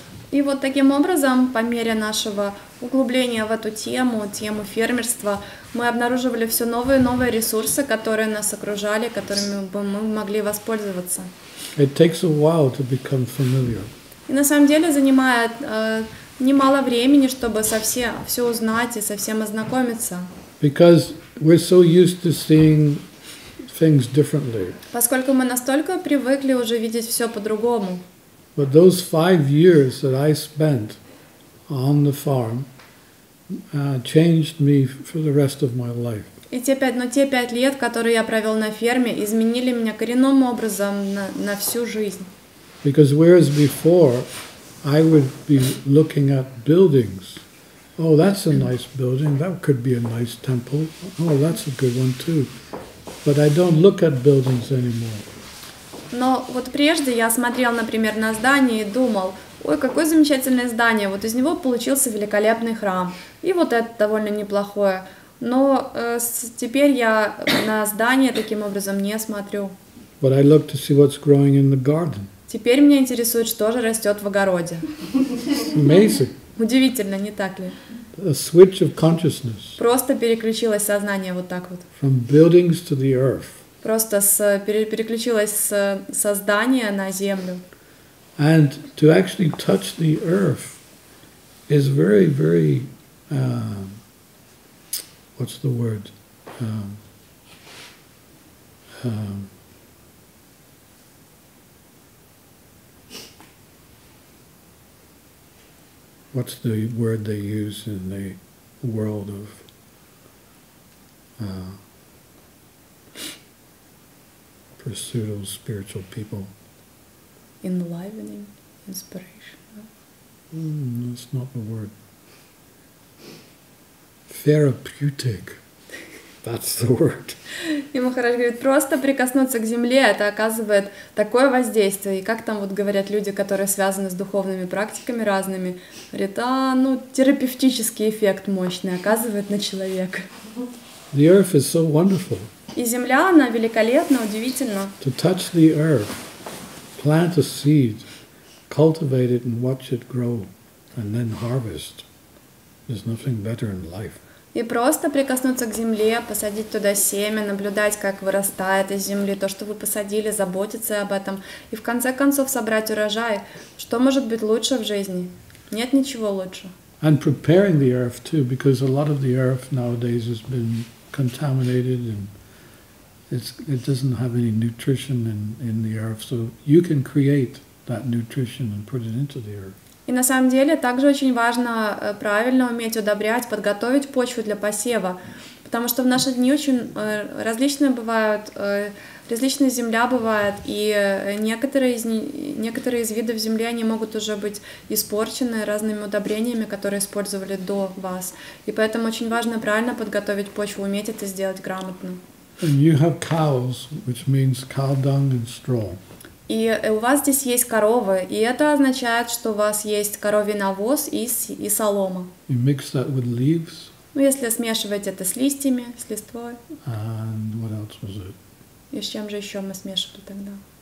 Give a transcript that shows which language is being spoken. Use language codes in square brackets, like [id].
[ru] И вот таким образом, по мере нашего углубления в эту тему фермерства, мы обнаруживали все новые и новые ресурсы, которые нас окружали, которыми бы мы могли воспользоваться. [en] It takes a while to become familiar. [ru] И на самом деле занимает немало времени, чтобы все узнать и со всем ознакомиться. [en] Because we're so used to seeing things differently. [ru] Поскольку мы настолько привыкли уже видеть все по-другому. [en] But those 5 years that I spent on the farm changed me for the rest of my life. [ru] Те пять лет, которые я провел на ферме, изменили меня коренным образом на всю жизнь. [en] Because whereas before I would be looking at buildings. Oh, that's a nice building. That could be a nice temple. Oh, that's a good one too. But I don't look at buildings anymore. [ru] Но вот прежде я смотрел, например, на здание и думал, ой, какое замечательное здание, вот из него получился великолепный храм. И вот это довольно неплохое. Но теперь я на здание таким образом не смотрю. [en] But I look to see what's growing in the garden. [ru] Теперь меня интересует, что же растет в огороде. [en] Amazing. [ru] Удивительно, не так ли? [en] A switch of consciousness. [ru] Просто переключилось сознание вот так вот. [en] From buildings to the earth. [ru] Просто переключилось с создания на землю. [en] And to actually touch the earth is very, very, what's the word? What's the word they use in the world of? Pseudo spiritual people. Enlivening, inspiration. That's not the word. Therapeutic. That's the word. [ru] И Махарадж говорит, просто прикоснуться к земле, это оказывает такое воздействие. И как там вот говорят люди, которые связаны с духовными практиками разными, говорит, а, ну, терапевтический эффект мощный оказывает на человека. [en] The earth is so wonderful. [ru] И земля, она великолепна, удивительна. [en] To touch the earth, plant a seed, cultivate it and watch it grow, and then harvest. There's nothing better in life. [ru] И просто прикоснуться к земле, посадить туда семя, наблюдать, как вырастает из земли то, что вы посадили, заботиться об этом, и в конце концов собрать урожай. Что может быть лучше в жизни? Нет ничего лучше. [en] And preparing the earth too, because a lot of the earth nowadays has been contaminated and it doesn't have any nutrition in the earth. So you can create that nutrition and put it into the earth. [ru] И на самом деле также очень важно правильно уметь удобрять, подготовить почву для посева. Потому что в наши дни очень различные бывают, различная земля бывает, и некоторые из видов земли, они могут уже быть испорчены разными удобрениями, которые использовали до вас. И поэтому очень важно правильно подготовить почву, уметь это сделать грамотно. [en] And you have cows, which means cow dung and straw. [ru] И у вас здесь есть коровы, и это означает, что у вас есть коровий навоз и солома. [en] You mix that with leaves. [ru] Ну, если смешивать это с листьями, с листвой. [en] And what else was it? [ru] И с чем же еще мы смешивали тогда?